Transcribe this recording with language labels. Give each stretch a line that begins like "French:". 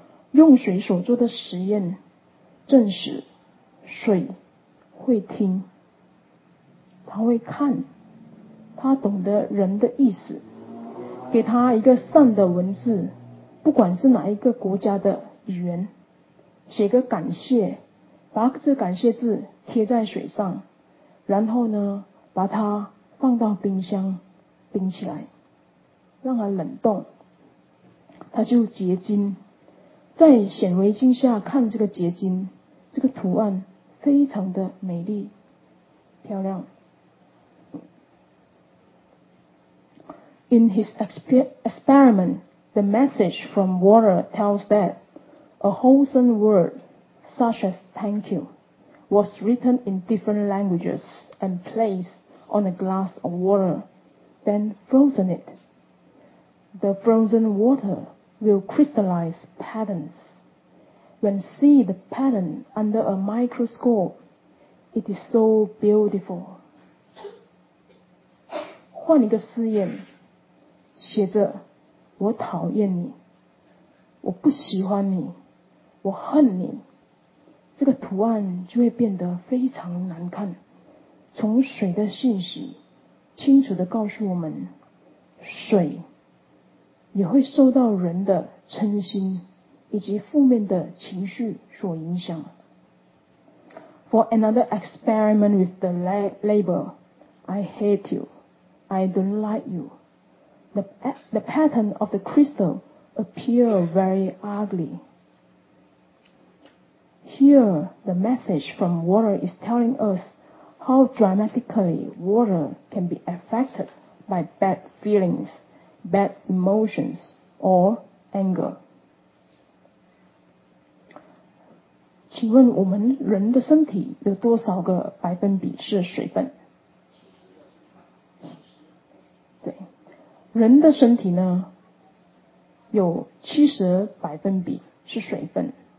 Chinese: 用水所做的实验证实水会听，它会看，它懂得人的意思，给它一个善的文字，不管是哪一个国家的语言，写个感谢，把这感谢字贴在水上，然后呢把它放到冰箱冰起来，让它冷冻，它就结晶。在显微镜下看这个结晶，这个图案非常的美丽漂亮。
English: In his experiment, the message from water tells that a wholesome word such as thank you was written in different languages and placed on a glass of water, then frozen it. The frozen water will crystallize patterns. When see the pattern under a microscope, it is so beautiful.
Chinese: 换一个试验，写着我讨厌你，我不喜欢你，我恨你，这个图案就会变得非常难看。从水的信息清楚地告诉我们，水也会受到人的嗔心以及负面的情绪所影响。
English: For another experiment with the label I hate you, I don't like you, the pattern of the crystal appear very uglyHere, the message from water is telling us how dramatically water can be affected by bad feelings, bad emotions, or anger.
Chinese: 请问我们人的身体有多少个百分比是水分？对，人的身体呢，有70百分比是水分。